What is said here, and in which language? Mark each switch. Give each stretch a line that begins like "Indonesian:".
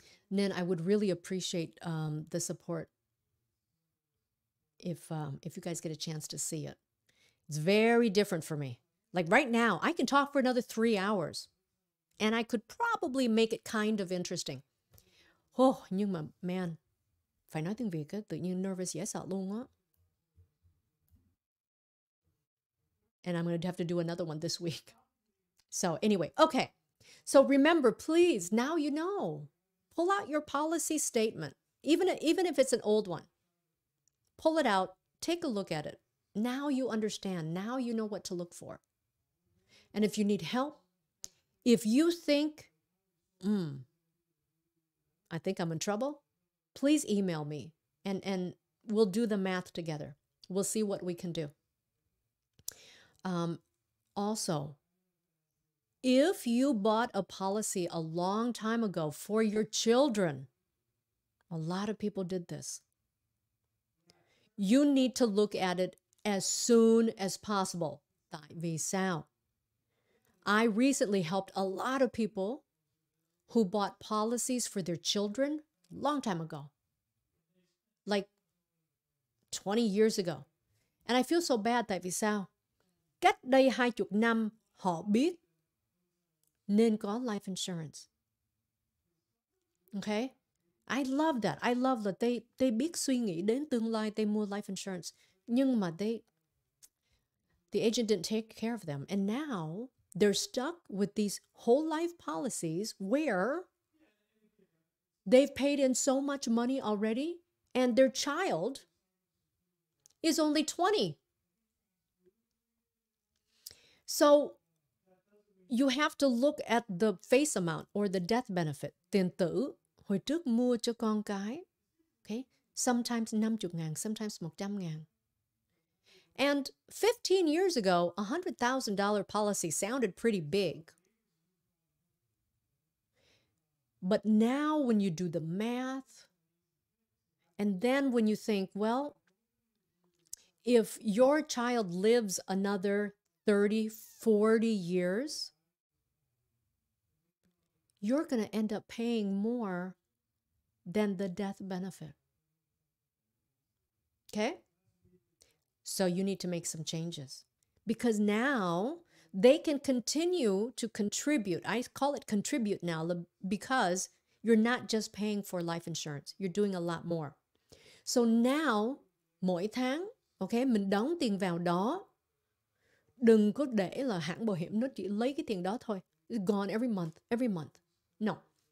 English: And then I would really appreciate the support if you guys get a chance to see it. It's very different for me. Like right now, I can talk for another 3 hours and I could probably make it kind of interesting.
Vietnamese: Oh, nhưng mà, man. Phải nói tiếng Việt á, tự nhiên nervous dễ sợ luôn á.
English: And I'm going to have to do another one this week. So anyway, okay. So remember, please, now you know. Pull out your policy statement. Even if it's an old one. Pull it out. Take a look at it. Now you understand. Now you know what to look for. And if you need help, if you think, I think I'm in trouble, please email me and we'll do the math together. We'll see what we can do. Also, if you bought a policy a long time ago for your children, a lot of people did this. You need to look at it as soon as possible.
Vietnamese: Tại vì sao?
English: I recently helped a lot of people who bought policies for their children long time ago, like 20 years ago. And I feel so bad,
Vietnamese: tại vì sao? Cách đây 20 năm họ biết nên có life insurance.
English: Okay? I love that. I love that they
Vietnamese: biết suy nghĩ đến tương lai,
English: they
Vietnamese: mua
English: life insurance.
Vietnamese: Nhưng mà
English: the agent didn't take care of them. And now they're stuck with these whole life policies where they've paid in so much money already and their child is only 20. So you have to look at the face amount or the death benefit.
Vietnamese: Tiền tử hồi trước mua cho con cái, okay?
English: Sometimes 50 ngàn, sometimes 100 ngàn. And 15 years ago, a $100,000 policy sounded pretty big. But now when you do the math, and then when you think, well, if your child lives another 30, 40 years, you're going to end up paying more than the death benefit. Okay? So you need to make some changes. Because now they can continue to contribute. I call it contribute now because you're not just paying for life insurance. You're doing a lot more.
Vietnamese: So now, mỗi tháng, okay, mình đóng tiền vào đó. Đừng có để là hãng bảo hiểm nó chỉ lấy cái tiền đó thôi.
English: It's gone every month. No.